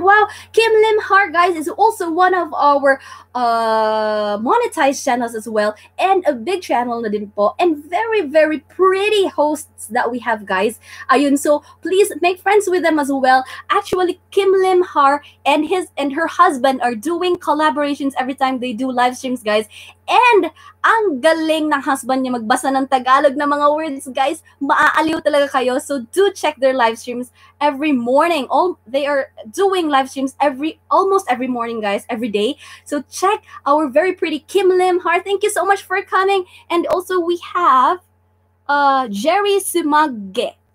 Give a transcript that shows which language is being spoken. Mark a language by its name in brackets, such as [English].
[English] Wow, Kim Lim Har, guys, is also one of our monetized channels as well, and a big channel [Filipino] na din po, [English] and very very pretty hosts that we have, guys. Ayun, so please make friends with them as well. Actually, Kim Lim Har and his and her husband are doing collaborations every time they do live streams, guys. [Filipino] And ang galing ng husband niya magbasa ng Tagalog ng mga words, guys. Maaaliw talaga kayo. [English] So do check their live streams every morning. All they are doing live streams almost every morning, guys, every day. So check our very pretty Kim Lim Har. Thank you so much for coming. And also we have Jerry Sumage.